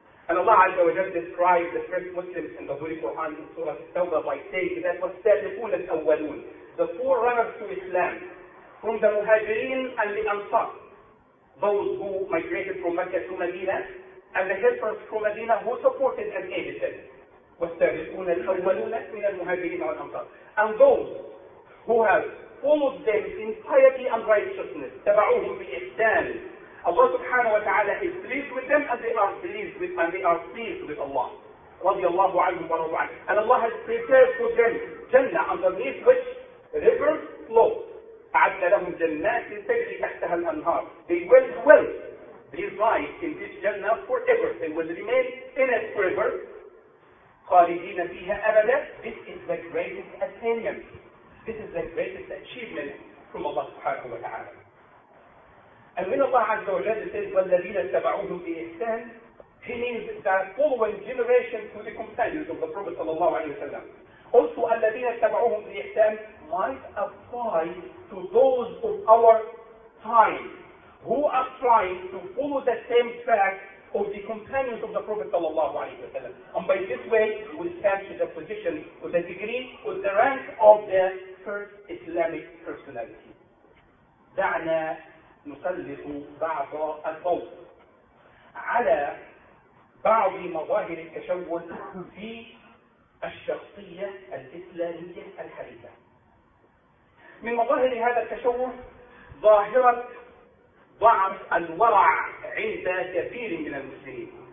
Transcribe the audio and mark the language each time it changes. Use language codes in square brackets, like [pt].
[en] And Allah Azza wa Jalla described the first Muslims in the Holy Quran in Surah Tawbah by saying that was [ar] السابقون الأولون, [en] the forerunners to Islam, from the Muhajirin and the Ansar, those who migrated from Mecca to Medina, and the helpers from Medina who supported and aided them. [ar] والسابقون الأولون من المهاجرين والأنصار. [en] And those who have followed them in piety and righteousness, [ar] تبعوهم بإحسان. [en] Allah subhanahu wa ta'ala is pleased with them and they are pleased with and they are pleased with Allah. [ar] رضي الله عنهم ورضوا عنه. [en] And Allah has prepared for them Jannah underneath which rivers flow. [ar] أعد لهم جنات تجري تحتها الأنهار. [en] They will dwell, reside in this Jannah forever. They will remain in it forever. [ar] خالدين فيها أبدا. [en] This is the greatest attainment. This is the greatest achievement from Allah subhanahu wa ta'ala. And when Allah Azza wa Jalla says, [ar] وَالَّذِينَ اتَّبَعُوهُ بِإِحْسَانٍ, [en] He means that following generation to the companions of the Prophet sallallahu alayhi wa sallam. Also, [ar] الَّذِينَ اتَّبَعُوهُ بِإِحْسَانٍ [en] might apply to those of our time who are trying to follow the same track of the companions of the Prophet sallallahu alayhi wa sallam. And by this way, we stand to the position with the degree with the rank of the first Islamic personality. [ar] دَعْنَا نسلط بعض الضوء على بعض مظاهر التشوه في الشخصية الإسلامية الحديثة. من مظاهر هذا التشوه ظاهرة ضعف الورع عند كثير من المسلمين.